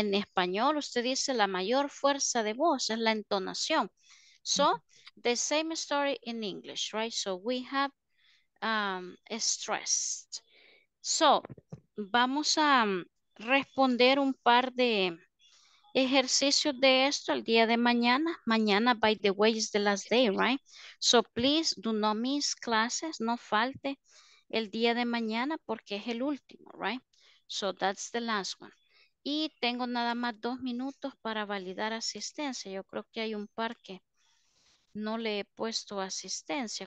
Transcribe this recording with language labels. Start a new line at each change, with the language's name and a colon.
Spanish: En español usted dice la mayor fuerza de voz es la entonación.
English: So, the same story in English, right? So, we have stressed.
Spanish: So, vamos a responder un par de ejercicios de esto el día de mañana.
English: Mañana, by the way, is the last day, right? So please do not miss classes.
Spanish: No falte el día de mañana porque es el último, right?
English: So that's the last one.
Spanish: Y tengo nada más 2 minutos para validar asistencia. Yo creo que hay un par que no le he puesto asistencia.